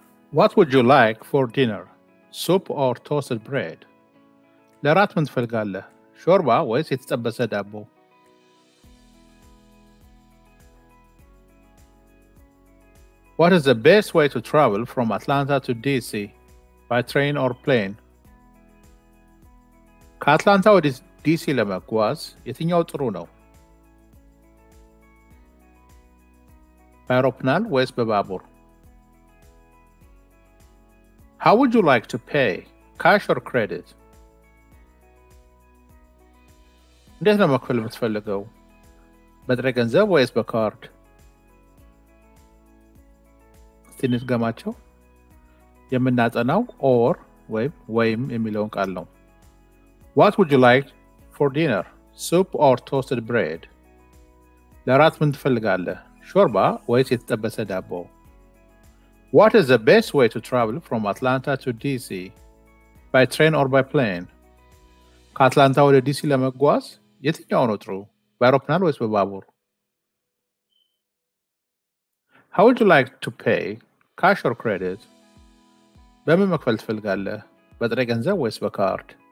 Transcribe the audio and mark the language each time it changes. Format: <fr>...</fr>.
<en>What would you like for dinner? Soup or toasted bread?</en> <am>ለራት ምን ትፈልጋለህ? ሾርባ ወይስ የተጠበሰ ዳቦ?</am> <en>What is the best way to travel from Atlanta to DC? By train or plane?</en> <am>ከአትላንታ ወደ ዲሲ ለመጓዝ የትኛው ጥሩ ነው? በአውሮፕላን ወይስ በባቡር?</am> <en>How would you like to pay? Cash or credit?</en> <am>እንዴት ነው መክፈል የምትፈልገው? በጥሬ ገንዘብ ወይስ በካርድ? እስቲ እንድገማቸው። የምናጠናው ኦር ወይም ወይም የሚለውን ቃል ነው።</am> <en>What would you like for dinner? Soup or toasted bread?</en> <am>ለራት ምን ትፈልጋለህ? ሾርባ ወይስ የተጠበሰ ዳቦ?</am> <en>What is the best way to travel from Atlanta to DC? By train or by plane?</en> <am>ከአትላንታ ወደ ዲሲ ለመጓዝ የትኛው ነው ጥሩ? በአውሮፕላን ወይስ በባቡር?</am> <en>How would you like to pay? Cash or credit?</en> <am>በምን መክፈል ትፈልጋለህ? በጥሬ ገንዘብ ወይስ በካርድ?</am>